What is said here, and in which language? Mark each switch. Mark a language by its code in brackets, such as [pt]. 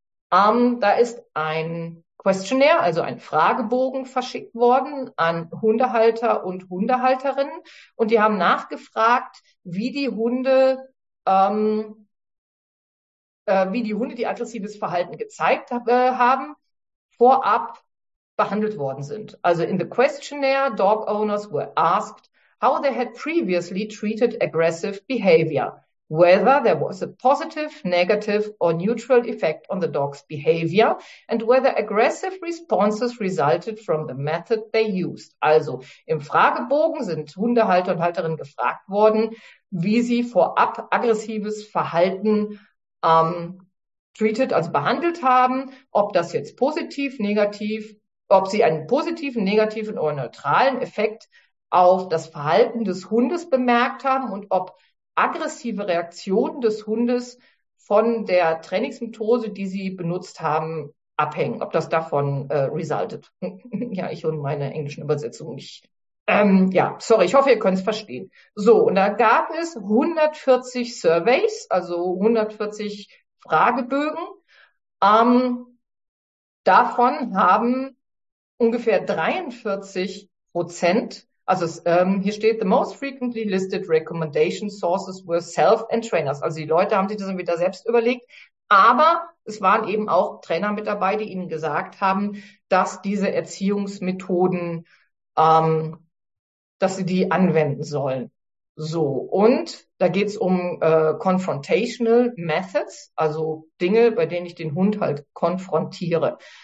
[de] Da ist ein Questionnaire, also ein Fragebogen verschickt worden an Hundehalter und Hundehalterinnen. Und die haben nachgefragt, wie die Hunde, die aggressives Verhalten gezeigt haben, vorab behandelt worden sind. [en] Also in the questionnaire, dog owners were asked how they had previously treated aggressive behavior, whether there was a positive, negative or neutral effect on the dog's behavior and whether aggressive responses resulted from the method they used. [de] Also im Fragebogen sind Hundehalter und Halterinnen gefragt worden, wie sie vorab aggressives Verhalten treated, also behandelt haben, ob das jetzt positiv, negativ, ob sie einen positiven, negativen oder neutralen Effekt auf das Verhalten des Hundes bemerkt haben und ob aggressive Reaktionen des Hundes von der Trainingsmethode, die sie benutzt haben, abhängen, ob das davon resultiert. Ja, ich und meine englischen Übersetzung nicht. Ja, sorry, ich hoffe, ihr könnt es verstehen. So, und da gab es 140 Surveys, also 140 Fragebögen. Davon haben ungefähr 43%, also hier steht, [en] the most frequently listed recommendation sources were self and trainers. [de] Also die Leute haben sich das wieder selbst überlegt, aber es waren eben auch Trainer mit dabei, die ihnen gesagt haben, dass diese Erziehungsmethoden, dass sie die anwenden sollen. So, und da geht es um confrontational methods, also Dinge, bei denen ich den Hund halt konfrontiere.